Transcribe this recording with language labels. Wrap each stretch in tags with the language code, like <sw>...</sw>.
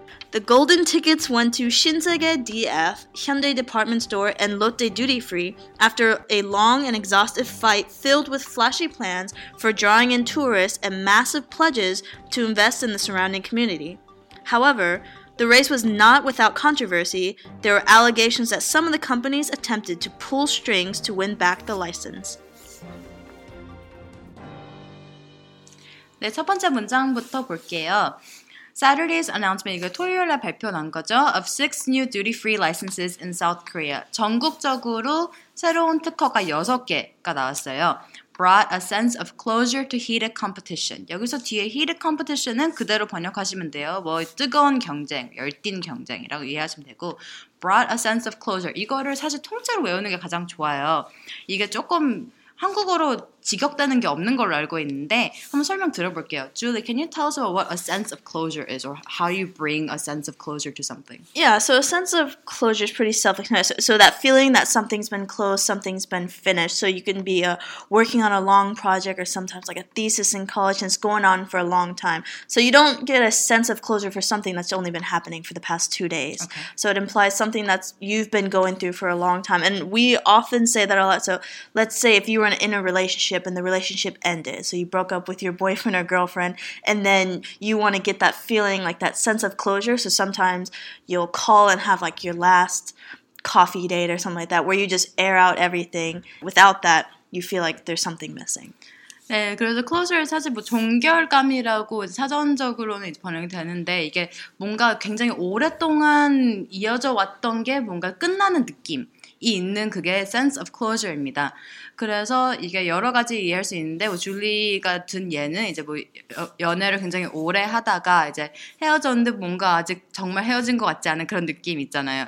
<en>The golden tickets went to Shinsegae DF, Hyundai Department Store, and Lotte Duty Free after a long and exhaustive fight filled with flashy plans for drawing in tourists and massive pledges to invest in the surrounding community. However, the race was not without controversy. There were allegations that some of the companies attempted to pull strings to win back the license.</en> <ko>네, 첫 번째 문장부터 볼게요.</ko> <en>Saturday's announcement,</en> <ko>이거 토요일에 발표한 거죠.</ko> <en>Of 6 new duty-free licenses in South Korea.</en> <ko>전국적으로 새로운 특허가 6개가 나왔어요.</ko> <en>Brought a sense of closure to heated competition.</en> <ko>여기서 뒤에 heated competition은 그대로 번역하시면 돼요. 뭐 뜨거운 경쟁, 열띤 경쟁이라고 이해하시면 되고</ko> <en>Brought a sense of closure.</en> <ko>이거를 사실 통째로 외우는 게 가장 좋아요. 이게 조금 한국어로 직역되는 게 없는 걸로 알고 있는데 한번 설명 들어볼게요.</ko> <en>Julie, can you tell us about what a sense of closure is or how you bring a sense of closure to something? Yeah, so a sense of closure is pretty self-explanatory. So that feeling that something's been closed, something's been finished. So you can be working on a long project or sometimes like a thesis in college and it's going on for a long time. So you don't get a sense of closure for something that's only been happening for the past 2 days. Okay. So it implies something that you've been going through for a long time. And we often say that a lot. So let's say if you were in a relationship and the relationship ended. So you broke up with your boyfriend or girlfriend and then you want to get that feeling, like that sense of closure. So sometimes you'll call and have like your last coffee date or something like that where you just air out everything. Without that, you feel like there's something missing.</en> <ko>네, 그래서 closure 사실 뭐 종결감이라고 사전적으로는 번역이 되는데 이게 뭔가 굉장히 오랫동안 이어져 왔던 게 뭔가 끝나는 느낌. 이 있는 그게 sense of closure입니다. 그래서 이게 여러 가지 이해할 수 있는데 뭐 줄리가 든 예는 이제 뭐 연애를 굉장히 오래 하다가 이제 헤어졌는데 뭔가 아직 정말 헤어진 것 같지 않은 그런 느낌 있잖아요.</ko>